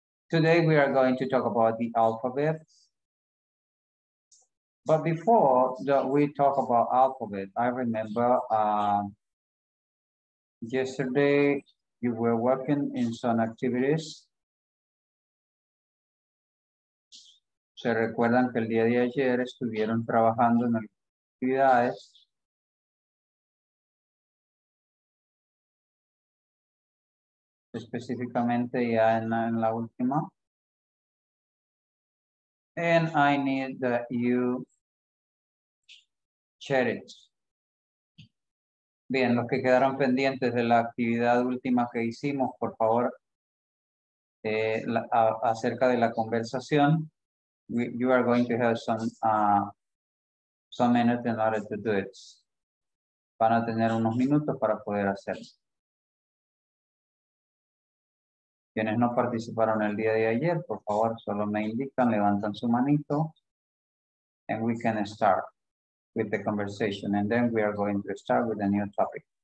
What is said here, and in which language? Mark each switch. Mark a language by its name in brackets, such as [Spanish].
[English] Today we are going to talk about the alphabet. But before that we talk about alphabet, I remember yesterday you were working in some activities. [Spanish] ¿Se recuerdan que el día de ayer estuvieron trabajando en actividades? Específicamente ya en la última. [English] And I need that you share it. [Spanish] Bien, los que quedaron pendientes de la actividad última que hicimos, por favor, acerca de la conversación. [English] You are going to have some minutes in order to do it. [Spanish] Van a tener unos minutos para poder hacerlo. Quienes no participaron el día de ayer, por favor, solo me indican, levantan su manito. [English] And we can start with the conversation. And then we are going to start with a new topic.